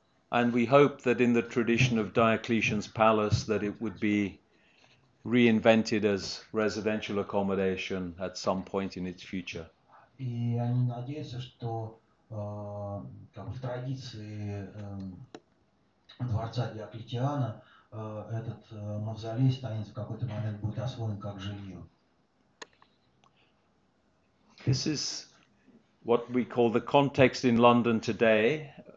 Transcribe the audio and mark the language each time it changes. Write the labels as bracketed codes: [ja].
[en] And we hope that in the tradition of Diocletian's palace that it would be reinvented as residential accommodation at some point in its future. [ru] И они надеются, что как в традиции дворца Диоклетиана этот мавзолей станет в какой-то момент будет освоен как жилье. [en] This is what we call the context in London today.